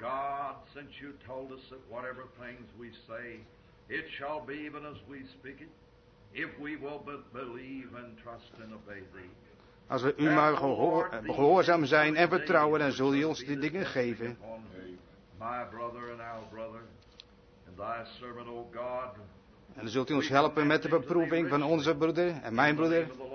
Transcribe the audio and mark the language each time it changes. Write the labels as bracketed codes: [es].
[en] God, sinds u told us that whatever things we say, it shall be even as we speak it, if we will but believe and trust and obey thee. [nl] Als we u maar gehoorzaam zijn en vertrouwen, dan zul je ons die dingen geven. [en] My brother and our brother, and thy servant, O God. [nl] En dan zult u ons helpen met de beproeving van onze broeder en mijn broeder.